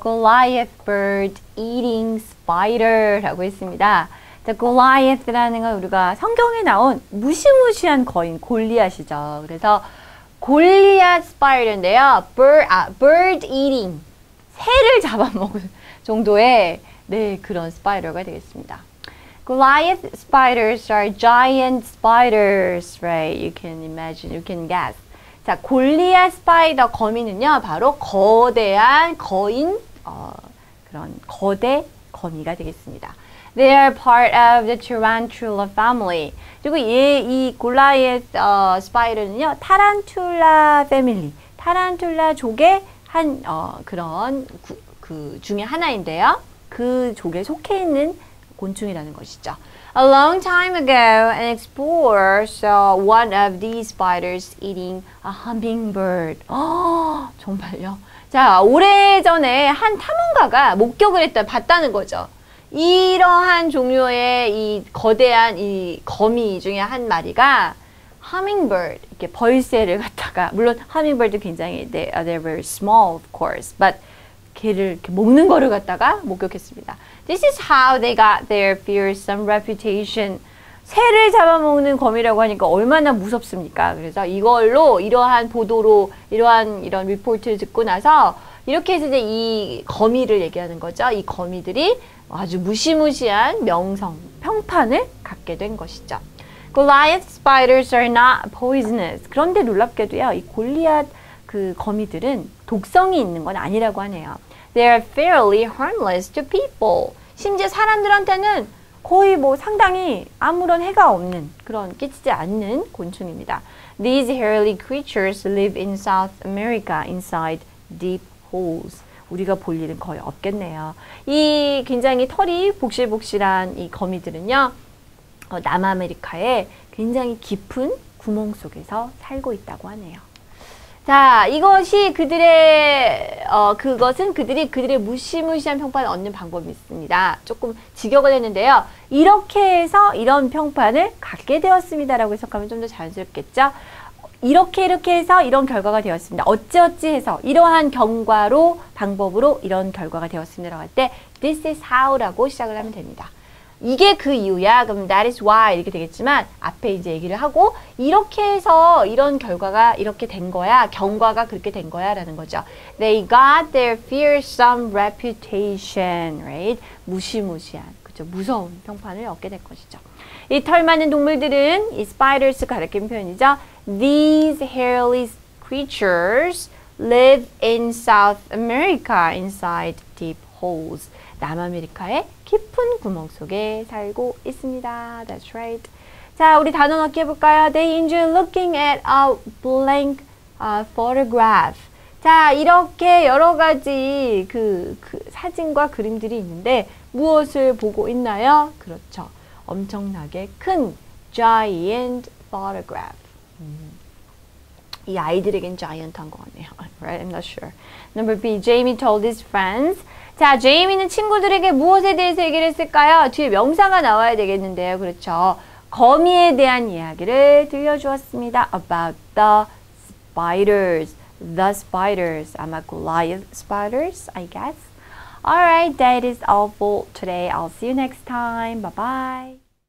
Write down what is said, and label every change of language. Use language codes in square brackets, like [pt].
[ko] Goliath Bird Eating Spider라고 했습니다. 자, Goliath라는 건 우리가 성경에 나온 무시무시한 거인 골리앗이죠. 그래서 골리앗 스파이더인데요. Bird Eating 새를 잡아먹을 정도의 네, 그런 스파이더가 되겠습니다. [en] Goliath spiders are giant spiders, right? You can imagine, you can guess. [ko] 자, 골리앗 스파이더 거미는요, 바로 거대한 거인, 그런 거대 거미가 되겠습니다. [en] They are part of the tarantula family. [ko] 그리고 이 골리앗 스파이더는요, 타란툴라 패밀리, 타란툴라 족의 한, 그런 그 중에 하나인데요. 그 족에 속해 있는 곤충이라는 것이죠. [en] A long time ago, an explorer saw one of these spiders eating a hummingbird. [ko] 정말요? 자, 오래전에 한 탐험가가 목격을 했다, 봤다는 거죠. 이러한 종류의 이 거대한 이 거미 중에 한 마리가 hummingbird, 이렇게 벌새를 갖다가, 물론 hummingbird도 굉장히, [en] they're very small, of course, but [ko] 개를 이렇게 먹는 거를 갖다가 목격했습니다. [en] This is how they got their fearsome reputation. [ko] 새를 잡아먹는 거미라고 하니까 얼마나 무섭습니까? 그래서 이걸로 이러한 보도로 이러한 이런 리포트를 듣고 나서 이렇게 해서 이제 이 거미를 얘기하는 거죠. 이 거미들이 아주 무시무시한 명성, 평판을 갖게 된 것이죠. [en] Goliath spiders are not poisonous. [ko] 그런데 놀랍게도요, 이 골리앗 그 거미들은 독성이 있는 건 아니라고 하네요. [en] They are fairly harmless to people. [ko] 심지어 사람들한테는 거의 뭐 상당히 아무런 해가 없는 그런 끼치지 않는 곤충입니다. [en] These hairy creatures live in South America inside deep holes. [ko] 우리가 볼 일은 거의 없겠네요. 이 굉장히 털이 복실복실한 이 거미들은요, 남아메리카의 굉장히 깊은 구멍 속에서 살고 있다고 하네요. 자, 이것이 그들의, 그것은 그들이 그들의 무시무시한 평판을 얻는 방법이 있습니다. 조금 직역을 했는데요. 이렇게 해서 이런 평판을 갖게 되었습니다라고 해석하면 좀더 자연스럽겠죠? 이렇게 해서 이런 결과가 되었습니다. 어찌어찌 해서 이러한 경과로, 방법으로 이런 결과가 되었습니다라고 할 때, [en] This is how [ko] 라고 시작을 하면 됩니다. 이게 그 이유야. 그럼 [en] that is why [ko] 이렇게 되겠지만 앞에 이제 얘기를 하고 이렇게 해서 이런 결과가 이렇게 된 거야. 경과가 그렇게 된 거야라는 거죠. [en] They got their fearsome reputation, right? [ko] 무시무시한, 그죠? 무서운 평판을 얻게 될 것이죠. 이털 많은 동물들은 이 spiders 가리키는 표현이죠. [en] These hairy creatures live in South America inside deep holes. [ko] 남아메리카의 깊은 구멍 속에 살고 있습니다. [en] That's right. [ko] 자, 우리 단어 넣기 해볼까요? [en] They enjoy looking at a blank photograph. [ko] 자, 이렇게 여러 가지 사진과 그림들이 있는데 무엇을 보고 있나요? 그렇죠. 엄청나게 큰 [en] giant photograph. [ko] 이 아이들에겐 자이언트한 것 같네요. [en] Right? I'm not sure. Number B. Jamie told his friends. [ko] 자, 제이미는 친구들에게 무엇에 대해서 얘기를 했을까요? 뒤에 명사가 나와야 되겠는데요. 그렇죠. 거미에 대한 이야기를 들려주었습니다. [en] About the spiders. The spiders. 아마 Goliath spiders, I guess. Alright, that is all for today. I'll see you next time. Bye bye.